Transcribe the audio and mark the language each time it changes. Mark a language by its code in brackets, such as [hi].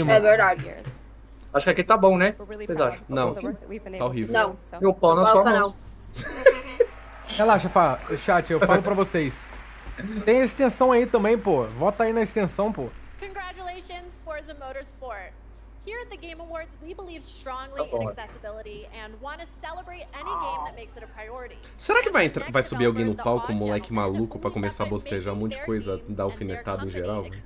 [pt] É verdade. Acho que aqui tá bom, né? O que vocês acham? Não. Tá horrível. Não. Meu pau na sua mão. Relaxa, chat, eu falo pra vocês. Tem extensão aí também, pô. Vota aí na extensão, pô. [en] Congratulations, Forza Motorsport. Here at the Game Awards, we believe strongly in accessibility and want to celebrate any game that makes it a priority. [pt] Será que vai entrar, vai subir alguém no palco, um moleque maluco, pra começar a bostejar um monte de coisa, dar alfinetado em geral?